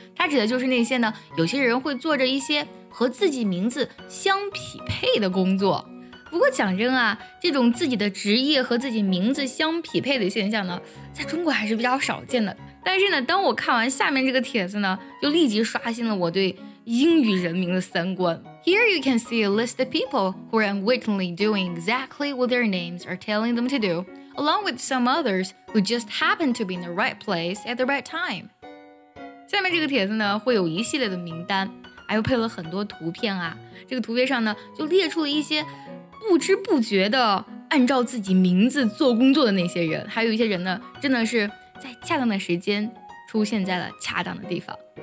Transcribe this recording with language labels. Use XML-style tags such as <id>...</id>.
<zh>它指的就是那些呢，有些人会做着一些和自己名字相匹配的工作。不过讲真啊，这种自己的职业和自己名字相匹配的现象呢，在中国还是比较少见的。但是呢，当我看完下面这个帖子呢，就立即刷新了我对英语人名的三观。</zh> <en>Here you can see a list of people who are unwittingly doing exactly what their names are telling them to do, along with some others who just happen to be in the right place at the right time.</en> <zh>下面这个帖子呢，会有一系列的名单，还有配了很多图片啊。这个图片上呢，就列出了一些不知不觉的按照自己名字做工作的那些人，还有一些人呢，真的是在恰当的时间出现在了恰当的地方。</zh>